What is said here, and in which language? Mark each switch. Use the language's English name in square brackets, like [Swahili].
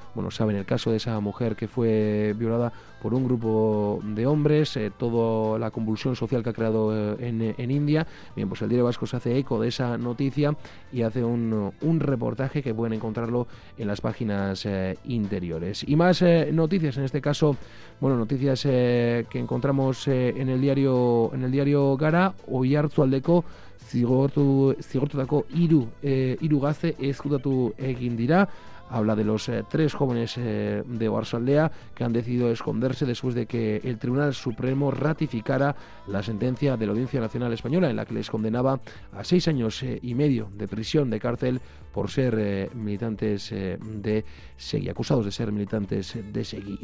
[Spanish] Bueno, saben el caso de esa mujer que fue violada por un grupo de hombres, toda la convulsión social que ha creado en India. Bien, pues el Diario Vasco se hace eco de esa noticia y hace un reportaje que pueden encontrarlo en las páginas interiores. Y más noticias, en este caso, bueno, noticias que encontramos en el diario Gara. [Basque] Oiartzualdeko zigortutako hiru gazte ezkutatu egin dira. [Spanish] Habla de los tres jóvenes de Oarsoaldea que han decidido esconderse después de que el Tribunal Supremo ratificara la sentencia de la Audiencia Nacional Española en la que les condenaba a 6 años y medio de prisión de cárcel por ser militantes de Segi, acusados de ser militantes de Segi.